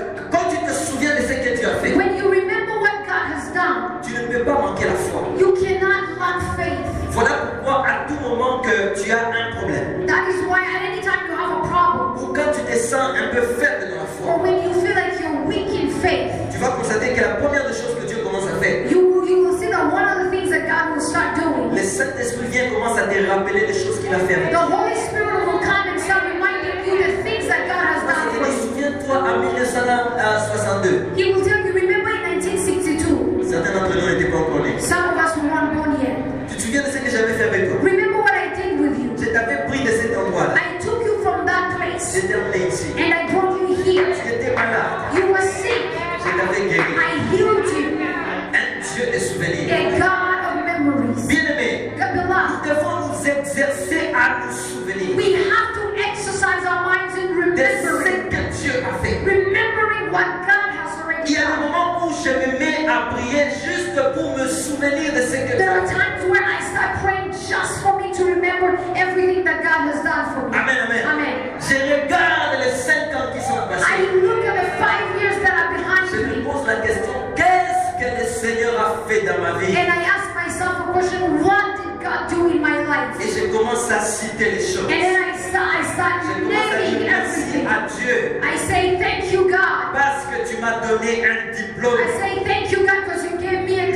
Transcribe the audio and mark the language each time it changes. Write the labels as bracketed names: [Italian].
[French] Quand tu te souviens de ce que Dieu a fait, [English] when you remember what God has done, [French] tu ne peux pas manquer la foi. [English] You cannot lack faith. [French] Voilà pourquoi à tout moment que tu as un problème, [English] that is why at any time you have a problem, [French] ou quand tu te sens un peu faible dans la foi, [English] or when you feel like you're weak in faith, [French] tu vas constater que la première des choses que Dieu commence à faire, [English] you will see that one of the things that God will start doing, [French] le Saint-Esprit vient commence à te rappeler les choses qu'il a fait avec. [English] The Holy Spirit will come and start reminding you the things that God has done. [French] Parce que tu te souviens toi en 1962. [English] He will tell you, remember in 1962. [French] Certains d'entre nous n'étaient pas encore nés. [English] Some of us weren't born yet. [French] Tu te souviens de ce que j'avais fait avec toi? [English] Remember what I did with you. [French] Je t'avais pris de cet endroit-là. [English] I took you from that place. [French] Je t'ai emmené ici. [English] And I brought you here. [French] Tu étais malade. [English] You were sick. [French] Je t'avais guéri. [English] I healed you. [French] Un Dieu de souvenirs. [English] A God of memories. [French] Bien-aimé. [English] God beloved. [French] Nous devons nous exercer à nous souvenir. [English] We have to exercise our minds in remembering. [French] De ce que Dieu a fait. [English] Remembering what God has already done. [French] Il y a un moment où je me mets à prier juste pour me souvenir de ce que Dieu [English] There are times where I start praying just for me to remember everything that God has done for me. [French] Amen, amen. [English] Amen. [French] Je regarde les 5 ans qui sont passés. [English] I look at the 5 years that are behind [French] je [English] me. [French] Je me pose la question, qu'est-ce que le Seigneur a fait dans ma vie? [English] And I ask myself a question, what did God do in my life? [French] Et je commence à citer les choses. [English] And then I start naming everything. [French] À Dieu. [English] I say, thank you, God. [French] Parce que m'a donné un diplôme. [English] I say thank you God because you gave me a degree.